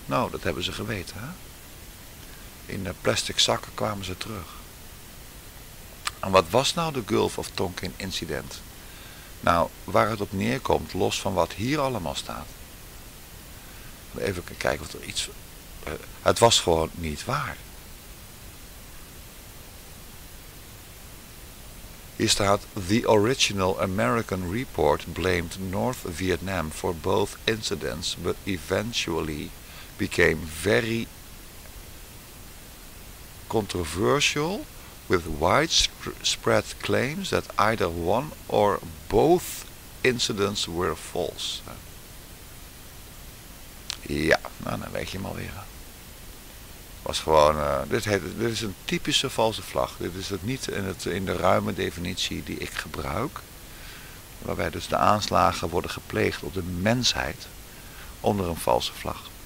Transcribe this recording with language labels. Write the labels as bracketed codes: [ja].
[nl] Nou, dat hebben ze geweten. Hè? In de plastic zakken kwamen ze terug. En wat was nou de Gulf of Tonkin incident? Nou, waar het op neerkomt, los van wat hier allemaal staat. Even kijken of er iets... Het was gewoon niet waar. Hier staat, [en] the original American report blamed North Vietnam for both incidents, but eventually became very controversial with widespread claims that either one or both incidents were false. [nl] Ja, nou dan weet je hem alweer. Was gewoon, dit is een typische valse vlag. Dit is het niet in de ruime definitie die ik gebruik. Waarbij dus de aanslagen worden gepleegd op de mensheid onder een valse vlag.